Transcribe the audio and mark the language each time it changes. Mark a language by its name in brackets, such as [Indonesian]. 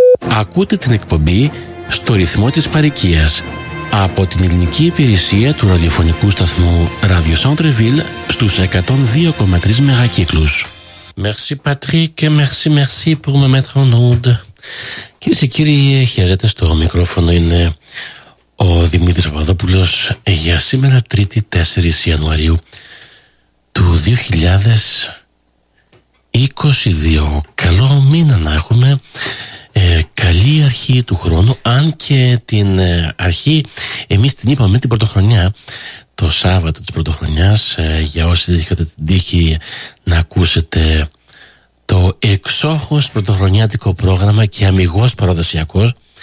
[Greek] Ακούτε την εκπομπή στο ρυθμό της παροικίας από την ελληνική υπηρεσία του ραδιοφωνικού σταθμού Radio Centreville στους 102,3 μεγακύκλους. [French] Merci Patrick, merci, merci pour me mettre en onde. [Greek] Κυρίες και κύριοι, χαίρετε, στο μικρόφωνο είναι ο Δημήτρης Παπαδόπουλος για σήμερα Τρίτη 4 Ιανουαρίου του 2022. Καλό μήνα να έχουμε. Καλή αρχή του χρόνου, αν και την αρχή εμείς την είπαμε την πρωτοχρονιά, το Σάββατο της πρωτοχρονιάς, για όσοι δεν είχατε την τύχη να ακούσετε το εξόχως πρωτοχρονιάτικο πρόγραμμα και αμιγώς παραδοσιακός,